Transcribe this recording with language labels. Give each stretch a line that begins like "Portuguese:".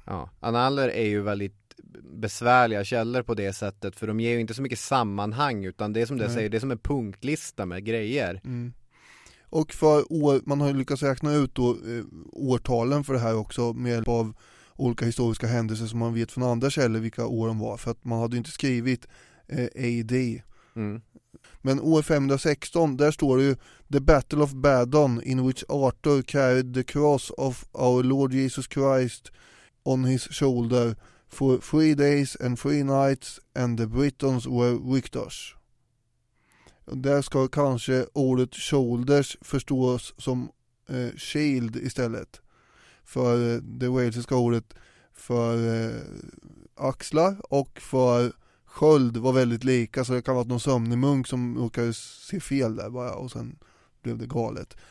Swedish: Ja, annaler är ju väldigt besvärliga källor på det sättet, för de ger ju inte så mycket sammanhang, utan det som det säger, det är som en punktlista med grejer. Mm. Och för år, man har ju lyckats räkna ut då, årtalen för det här också med hjälp av olika historiska händelser som man vet från andra källor vilka år de var. För att man hade ju inte skrivit AD. Mm. Men år 516, där står det ju
English: The Battle of Badon in which Arthur carried the cross of our Lord Jesus Christ on his shoulder for 3 days and 3 nights and the Britons were victors.
Swedish: Där ska kanske ordet shoulders förstås som shield istället. För det walesiska ordet för axlar och för sköld var väldigt lika, så det kan vara någon sömnig munk som råkade se fel där bara, och sen blev det galet.